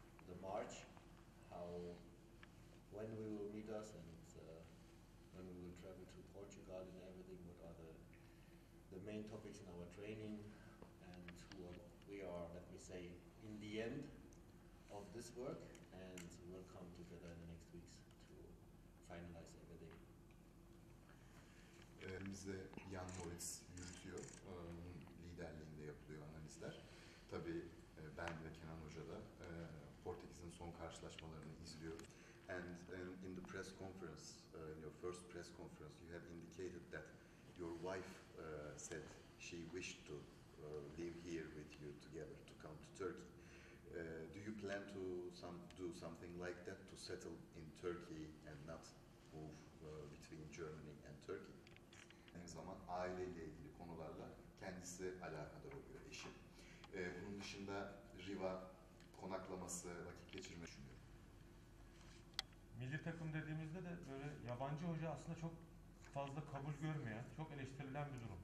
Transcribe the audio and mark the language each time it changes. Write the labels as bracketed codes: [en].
[en] the March, how, when we will meet us, and when we will travel to Portugal and everything, what are the main topics in our training, and who we are, let me say, in the end, of this work, and we'll come together in the next weeks to finalize everything. [tr] Bize Jan Moritz yürütüyor, onun liderliğinde yapılıyor analizler. Tabii ben ve Kenan Hoca da Portekiz'in son karşılaşmalarını izliyoruz. [en] And in the press conference, in your first press conference, you have indicated that your wife said she wished to live here with you together to come to Turkey. Do you plan to do something like that, to settle in Turkey and not move between Germany and Turkey? [tr] Her zaman aileyle ilgili konularla kendisi alakadar oluyor, eşi. Bunun dışında Riva konaklaması, vakit geçirme düşünüyor. Milli takım dediğimizde de böyle yabancı hoca aslında çok fazla kabul görmeyen, çok eleştirilen bir durum.